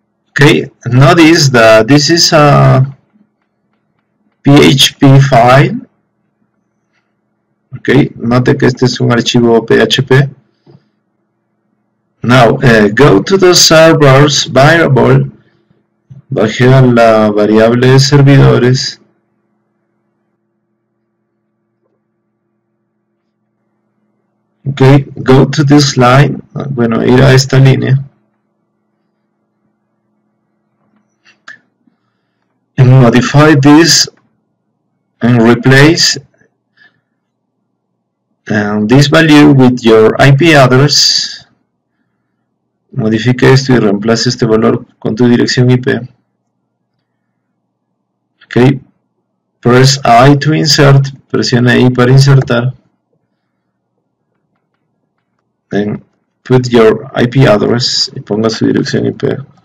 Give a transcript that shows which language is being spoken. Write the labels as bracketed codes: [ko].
[en] Okay, notice that this is a PHP file. [es] Okay, note que este es un archivo PHP. [en] Now, go to the servers variable, bajé a la variable de servidores. Okay, go to this line, bueno, ir a esta línea. And modify this and replace this value with your IP address. [es] Modifique esto y reemplace este valor con tu dirección IP. [en] Ok. Press I to insert. Presiona I para insertar. Then put your IP address y ponga su dirección IP.